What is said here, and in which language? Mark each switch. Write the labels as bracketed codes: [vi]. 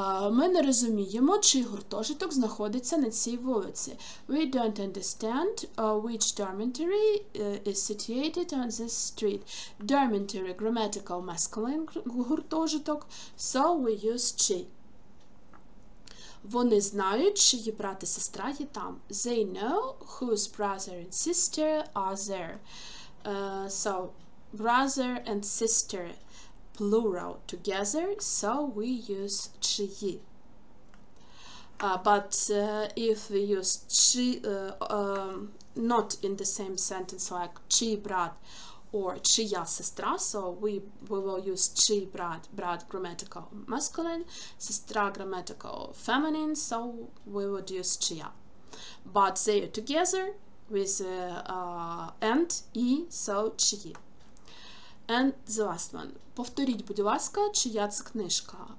[uk] Ми не розуміємо, чий гуртожиток знаходиться на цій вулиці. [en] We don't understand which dormitory is situated on this street. Dormitory, grammatical masculine гуртожиток, so we use чий. [uk] Вони знають, чиї брат і сестра є там. [en] They know whose brother and sister are there. So, brother and sister, plural, together, so we use чиї. But if we use чи, not in the same sentence like [uk] чий брат [en] or чия сестра, so we will use чий брат, брат grammatical masculine, сестра grammatical feminine, so we would use чия. But they are together with and і, so чиї. And the last one. [uk] Повторіть, будь ласка, чия це книжка?